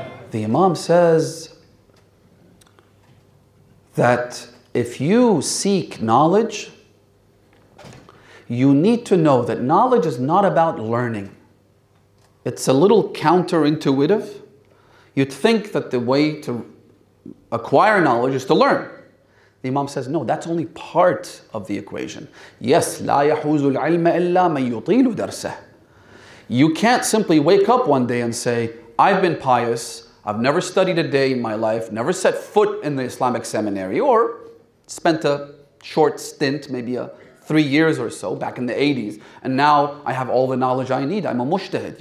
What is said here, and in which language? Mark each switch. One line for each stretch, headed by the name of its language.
English: The Imam says that if you seek knowledge, you need to know that knowledge is not about learning. It's a little counterintuitive. You'd think that the way to acquire knowledge is to learn. The Imam says, no, that's only part of the equation.
Arabic: Yes, لا يحوز العلم إلا من يطيل درسه.
English: You can't simply wake up one day and say, I've been pious, I've never studied a day in my life, never set foot in the Islamic seminary, or spent a short stint, maybe 3 years or so back in the 80s, and now I have all the knowledge I need. I'm a mujtahid.